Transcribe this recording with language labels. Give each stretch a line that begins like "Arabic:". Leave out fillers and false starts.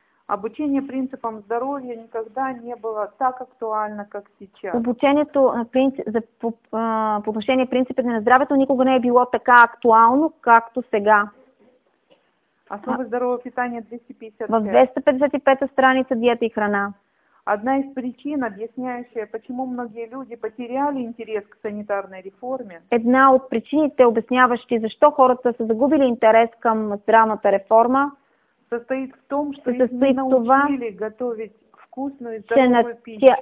Russian: Обучение принципам здоровья никогда не было так актуально, как сейчас.
Bulgarian: Обучението по отношение принципите на здравето никога не е било така актуално, както сега.
Russian: Основа здорового питания 255.
Bulgarian: В 255 страница диета и храна.
Russian: Одна из причин, объясняющая, почему многие люди потеряли интерес к санитарной реформе.
Bulgarian: Една от причините, обясняващи защо хората са загубили интерес към здравната реформа,
Russian: состоит в том, что их не научили това, готовить вкусную и здоровую пищу.